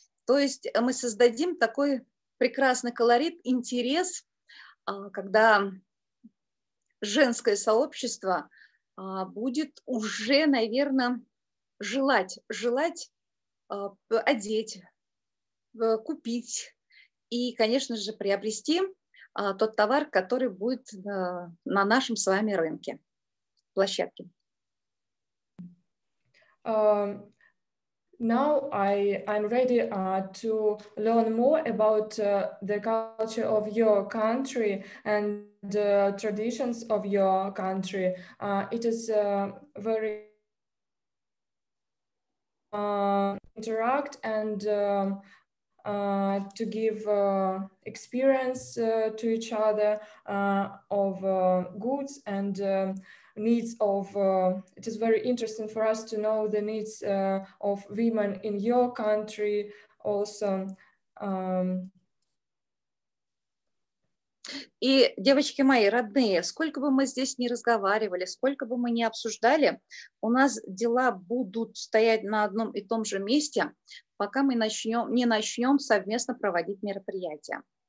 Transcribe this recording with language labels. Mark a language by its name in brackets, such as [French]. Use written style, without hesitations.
[Russian] То есть мы создадим такой прекрасный колорит, интерес, когда женское сообщество будет уже, наверное, желать одеть, купить и, конечно же, приобрести тот товар, который будет на нашем с вами рынке, площадке. [English] Now I'm ready to learn more about the culture of your country and the traditions of your country. It is very interact and to give experience to each other of goods and needs of it is very interesting for us to know the needs of women in your country also. [Russian] И, девочки мои, родные, сколько бы мы здесь ни разговаривали, сколько бы мы ни обсуждали, у нас дела будут стоять на одном и том же месте, пока мы не начнем совместно проводить мероприятия.